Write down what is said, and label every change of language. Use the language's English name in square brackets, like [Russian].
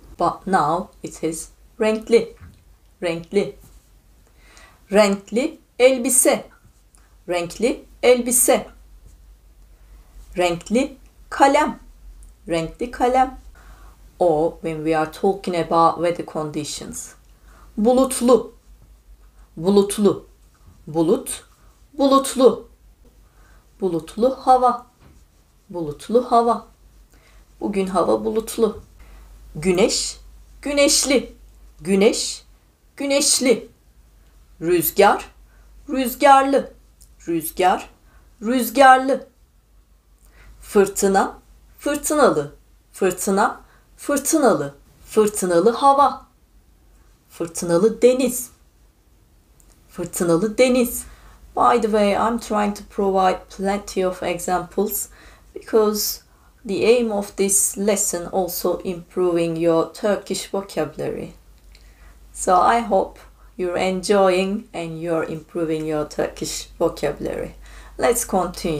[English] But now it is [Turkish] renkli, renkli. Renkli elbise, renkli elbise. Renkli kalem, renkli kalem. [English] Or when we are talking about weather conditions. [Turkish] Bulutlu, bulutlu, bulut, bulutlu, bulutlu hava, bulutlu hava, bugün hava bulutlu. Güneş, güneşli, güneş, güneşli, rüzgar, rüzgarlı, rüzgar, rüzgarlı, fırtına, fırtınalı, fırtına, fırtınalı, fırtınalı hava, fırtınalı deniz, fırtınalı deniz. [English] By the way, I'm trying to provide plenty of examples because the aim of this lesson also improving your Turkish vocabulary. So I hope you're enjoying and you're improving your Turkish vocabulary. Let's continue.